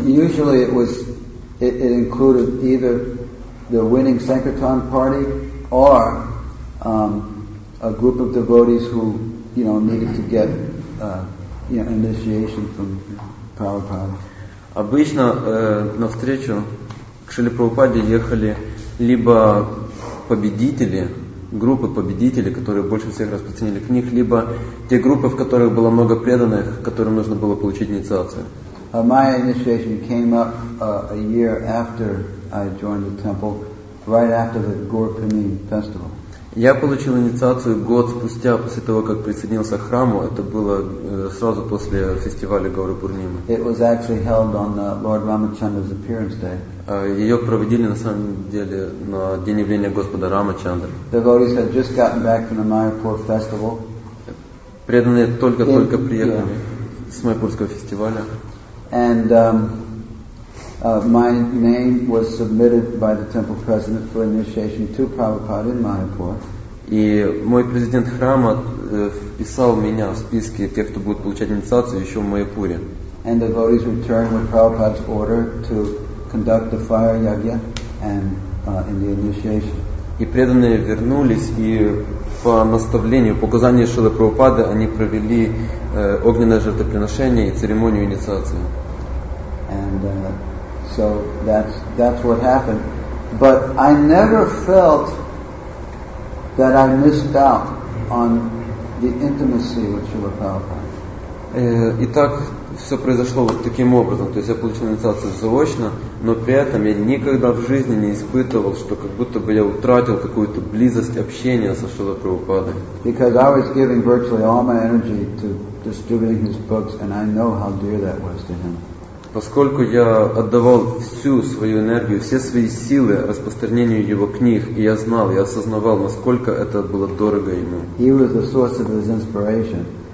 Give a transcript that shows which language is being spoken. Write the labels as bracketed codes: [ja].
[en] Usually it included either the winning sankirtan party or a group of devotees who, you know, needed to get initiation from Prabhupada. [ru] Обычно на встречу к Шриле Прабхупаде ехали либо победители, группы победителей, которые больше всех распространили книг, либо те группы, в которых было много преданных, которым нужно было получить инициацию. [en] My initiation came up a year after I joined the temple, right after the Gaurapani festival. [ru] Я получил инициацию год спустя после того, как присоединился к храму. Это было сразу после фестиваля Гаурапурнимы. [en] It was actually held on Lord Ramachandra's appearance day. [ru] Ее проводили на самом деле на день явления Господа Рамачандры. [en] Devotees had just gotten back from the Mayapur festival. [ru] Преданные только-только приехали с Майпурского фестиваля. [en] And my name was submitted by the temple president for initiation to Prabhupada in Mayapur. [ru] И мой президент храма вписал меня в списки тех, кто будет получать инициацию еще в Майпуре. [en] and devotees return with Prabhupada's order to conduct the fire yagya and in the initiation. [ru] И преданные вернулись и по наставлению, по указанию Шрилы Прабхупады, они провели огненное жертвоприношение и церемонию инициации. [en] And so that's what happened. But I never felt that I missed out on the intimacy with Shrila Prabhupada. [ru] И так все произошло вот таким образом. То есть я получил инициацию заочно, но при этом я никогда в жизни не испытывал, что как будто бы я утратил какую-то близость общения со Шрилой Прабхупадой. [en] Because I was giving virtually all my energy to distributing his books, and I know how dear that was to him. [ru] Поскольку я отдавал всю свою энергию, все свои силы распространению его книг, и я знал, я осознавал, насколько это было дорого ему. [en] He was the source of his inspiration.